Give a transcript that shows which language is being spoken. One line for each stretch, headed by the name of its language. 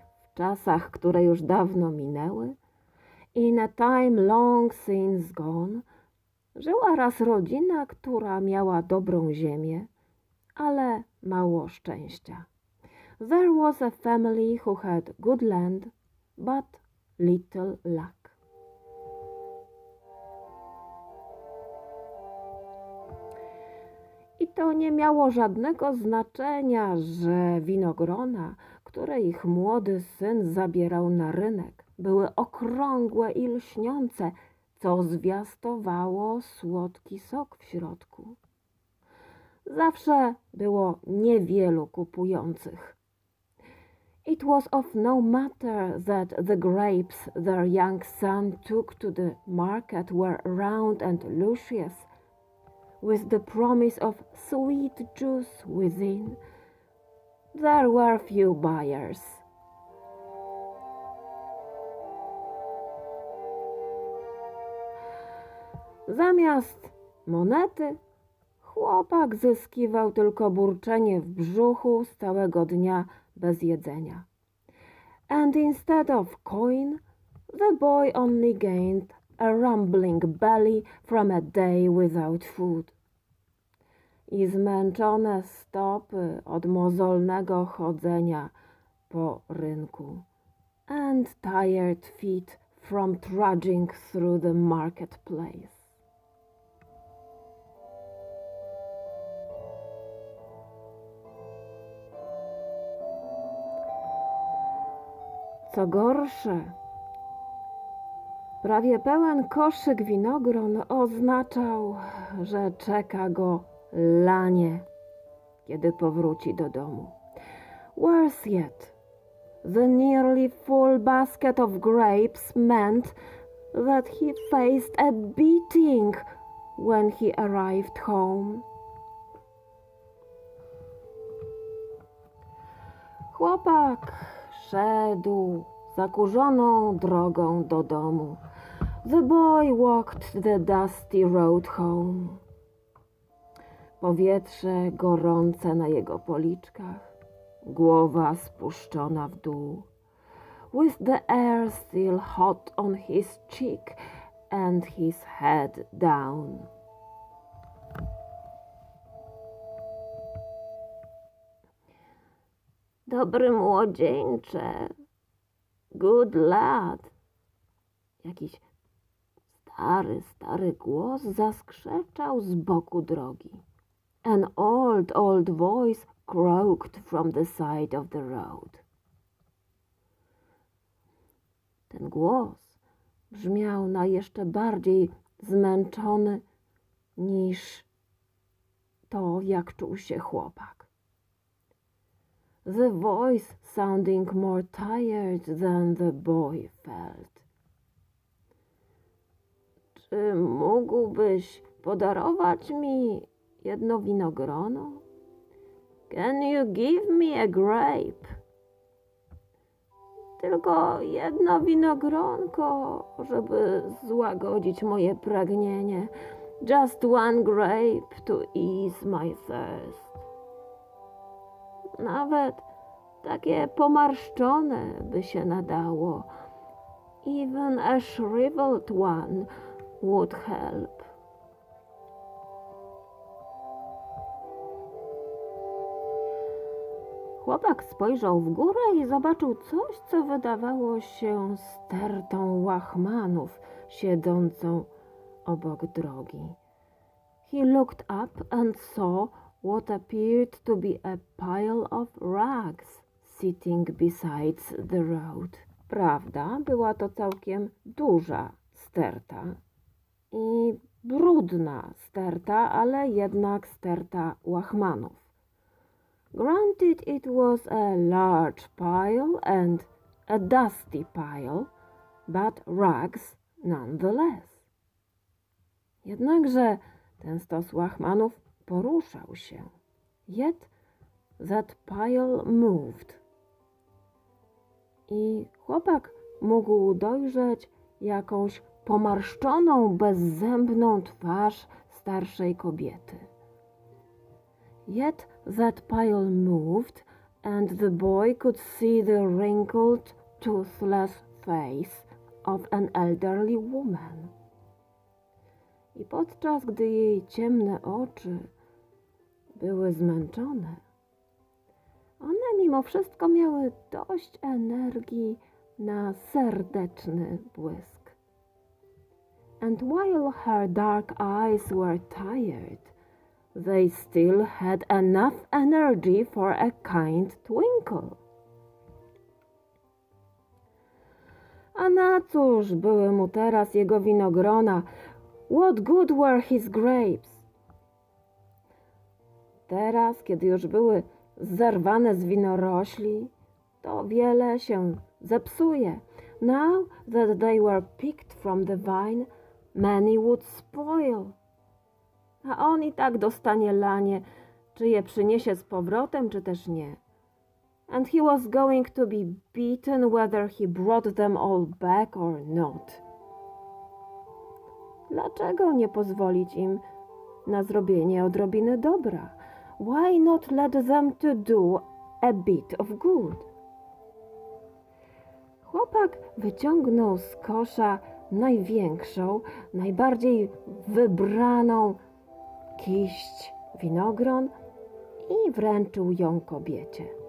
Polish: W czasach, które już dawno minęły,
English: In a time long since gone,
Polish: żyła raz rodzina, która miała dobrą ziemię, ale mało szczęścia.
English: There was a family who had good land, but little luck.
Polish: I to nie miało żadnego znaczenia, że winogrona, które ich młody syn zabierał na rynek, były okrągłe i lśniące, co zwiastowało słodki sok w środku. Zawsze było niewielu kupujących.
English: It was of no matter that the grapes their young son took to the market were round and luscious, with the promise of sweet juice within. There were few buyers.
Polish: Zamiast monety, chłopak zyskiwał tylko burczenie w brzuchu z całego dnia bez jedzenia.
English: And instead of coin, the boy only gained a rumbling belly from a day without food.
Polish: I zmęczone stopy od mozolnego chodzenia po rynku.
English: And tired feet from trudging through the marketplace.
Polish: Co gorsze, prawie pełen koszyk winogron oznaczał, że czeka go lanie, kiedy powróci do domu.
English: Worse yet, the nearly full basket of grapes meant that he faced a beating when he arrived home.
Polish: Chłopak szedł zakurzoną drogą do domu.
English: The boy walked the dusty road home.
Polish: Powietrze gorące na jego policzkach, głowa spuszczona w dół.
English: With the air still hot on his cheek and his head down.
Polish: Dobry młodzieńcze,
English: good lad.
Polish: Jakiś stary głos zaskrzeczał z boku drogi.
English: An old voice croaked from the side of the road.
Polish: Ten głos brzmiał na jeszcze bardziej zmęczony niż to, jak czuł się chłopak.
English: The voice sounding more tired than the boy felt.
Polish: Czy mógłbyś podarować mi jedno winogrono?
English: Can you give me a grape?
Polish: Tylko jedno winogronko, żeby złagodzić moje pragnienie.
English: Just one grape to ease my thirst.
Polish: Nawet takie pomarszczone by się nadało.
English: Even a shriveled one would help.
Polish: Chłopak spojrzał w górę i zobaczył coś, co wydawało się stertą łachmanów siedzącą obok drogi.
English: He looked up and saw what appeared to be a pile of rags sitting beside the road.
Polish: Prawda, była to całkiem duża sterta i brudna sterta, ale jednak sterta łachmanów.
English: Granted, it was a large pile and a dusty pile, but rags nonetheless.
Polish: Jednakże ten stos łachmanów poruszał się.
English: Yet that pile moved.
Polish: I chłopak mógł dojrzeć jakąś pomarszczoną, bezzębną twarz starszej kobiety.
English: Yet that pile moved, and the boy could see the wrinkled, toothless face of an elderly woman.
Polish: I podczas gdy jej ciemne oczy były zmęczone, one mimo wszystko miały dość energii na serdeczny błysk.
English: And while her dark eyes were tired, they still had enough energy for a kind twinkle.
Polish: A na cóż były mu teraz jego winogrona?
English: What good were his grapes?
Polish: Teraz, kiedy już były zerwane z winorośli, to wiele się zepsuje.
English: Now that they were picked from the vine, many would spoil.
Polish: A on i tak dostanie lanie, czy je przyniesie z powrotem, czy też nie.
English: And he was going to be beaten whether he brought them all back or not.
Polish: Dlaczego nie pozwolić im na zrobienie odrobiny dobra?
English: Why not let them to do a bit of good?
Polish: Chłopak wyciągnął z kosza największą, najbardziej wybraną kiść winogron i wręczył ją kobiecie.